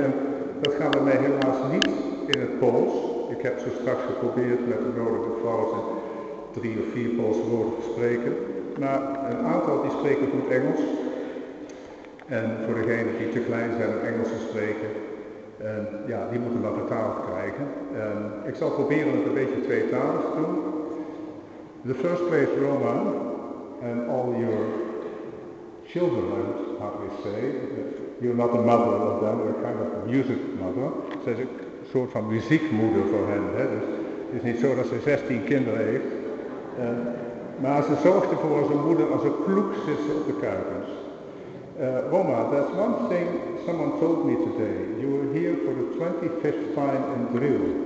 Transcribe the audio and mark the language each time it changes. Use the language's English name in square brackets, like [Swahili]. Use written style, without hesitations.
[Dutch] En dat gaat bij mij helaas niet in het Pools. Ik heb zo straks geprobeerd met de nodige fouten drie of vier Poolse woorden te spreken. Maar een aantal die spreken goed Engels. En voor degenen die te klein zijn om Engels te spreken, en ja, die moeten dan vertaald krijgen. En ik zal proberen het een beetje tweetalig te doen. [English] The first place, Roman, and all your children, I would hardly say. You're not the mother of them, you're kind of a music mother. [Dutch] Ze is een soort van muziekmoeder voor hen. Hè? Dus het is niet zo dat ze 16 kinderen heeft. En, maar ze zorgt ervoor als een moeder, als een kloek zit ze op de kuikens. [English] Roma, there's one thing someone told me today. You were here for the 25th time in Drill.